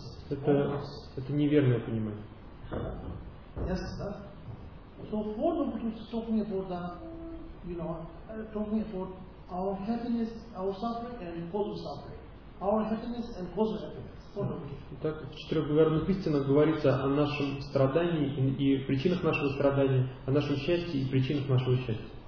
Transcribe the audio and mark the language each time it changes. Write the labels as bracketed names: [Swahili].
[Russian] Это неверное понимание. [English] Yes, so for the truth, talking about that, you know, talking about our happiness, our suffering, and cause of suffering. Our happiness and cause of happiness. [Russian] Итак, в четырех благородных истинах говорится о нашем страдании и причинах нашего страдания, о нашем счастье и причинах нашего счастья.